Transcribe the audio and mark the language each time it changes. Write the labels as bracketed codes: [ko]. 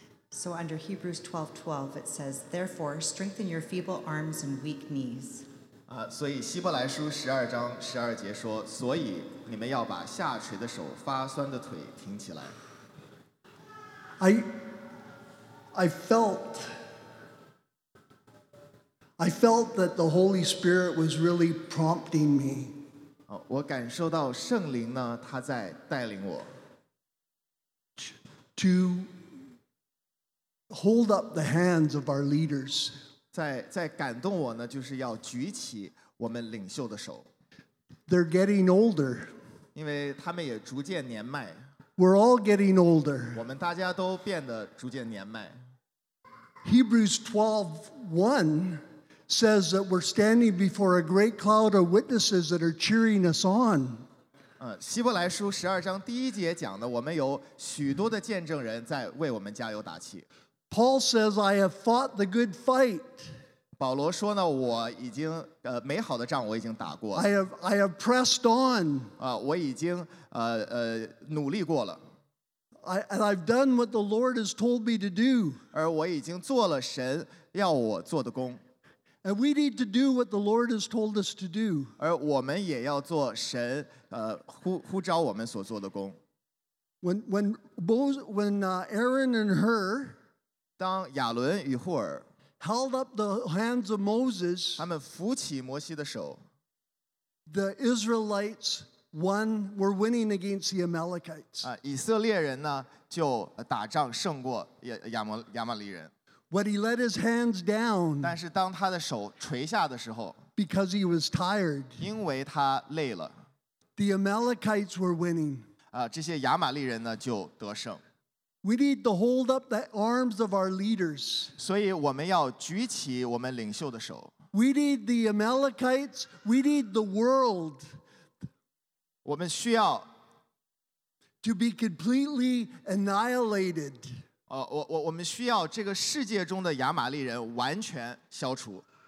[en] So under Hebrews 12:12, it says, therefore, strengthen your feeble arms and weak knees. [zh] 所以希伯来书十二章十二节说，所以你们要把下垂的手、发酸的腿挺起来。 [en] I felt that the Holy Spirit was really prompting me. [zh] 我感受到圣灵呢，他在带领我。 [en] To hold up the hands of our leaders. [zh] 在感动我呢，就是要举起我们领袖的手。 [en] They're getting older. [zh] 因为他们也逐渐年迈。 [en] We're all getting older. [zh] 我们大家都变得逐渐年迈。 [en] Hebrews 12:1 says that we're standing before a great cloud of witnesses that are cheering us on. [zh] 希伯来书十二章第一节讲的，我们有许多的见证人在为我们加油打气。 [en] Paul says, "I have fought the good fight." [zh] 保罗说呢，我已经美好的仗我已经打过。 [en] I have pressed on. [zh] 我已经努力过了。 [en] And I've done what the Lord has told me to do. [zh] 而我已经做了神要我做的工。 [en] And we need to do what the Lord has told us to do. [zh] 而我们也要做神呼召我们所做的工。 [en] When Aaron and Hur, [zh] 当亚伦与霍尔 [en] held up the hands of Moses, [zh] 他们扶起摩西的手 [en] the Israelites. One, we're winning against the Amalekites. [zh] 以色列人呢就打仗胜过亚玛利人。 [en] But he let his hands down. [zh] 但是当他的手垂下的时候 [en] ，because he was tired. [zh] 因为他累了。 [en] The Amalekites were winning. [zh] 这些亚玛利人呢就得胜。 [en] We need to hold up the arms of our leaders. [zh] 所以我们要举起我们领袖的手。 [en] We need the Amalekites. We need the world. [zh] 我们需要 [en] to be completely annihilated. [zh] 我们需要这个世界中的亚玛力人完全消除。